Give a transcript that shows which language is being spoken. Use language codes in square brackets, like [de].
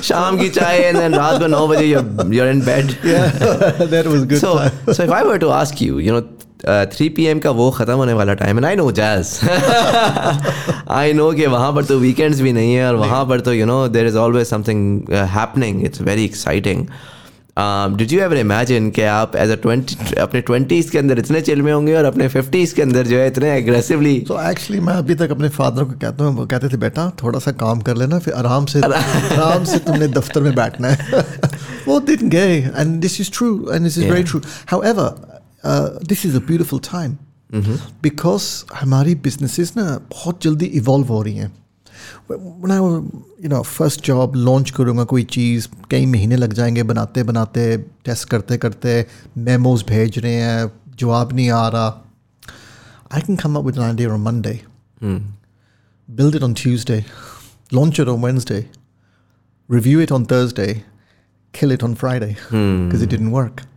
[hi] Sham ki chai [en] and then [hi] raat ko 9 baje [en] you're in bed. Yeah. That was good. So if I were to ask you, you know, 3 pm [hi] ka wo khatam hone wala time [en] and I know jazz. [hi] I know ke wahan par to weekends bhi nahi hai aur wahan par to [en] you know there is always something happening. It's very exciting. Did you ever imagine [hi] कि आप as a 20 अपने 20s के अंदर इतने chill में होंगे और अपने 50s के अंदर जो है इतने aggressively? [en] So actually [hi] मैं अभी तक अपने father को कहता हूँ, वो कहते थे बेटा थोड़ा सा काम कर लेना, फिर आराम से आराम से तुमने दफ्तर में बैठना है. [en] Well, it didn't go, and this is true, and this is very true. However, this is a beautiful time because [hi] हमारी businesses ना बहुत जल्दी evolve हो रही हैं. [en] When I, you know, first job [hi] launch करूँगा कोई चीज़, कई महीने लग जाएंगे बनाते बनाते, test करते करते, memos भेज रहे हैं, जवाब नहीं आ रहा. [en] I can come up with an idea on Monday, build it on Tuesday, launch it on Wednesday, review it on Thursday, kill it on Friday because it didn't work.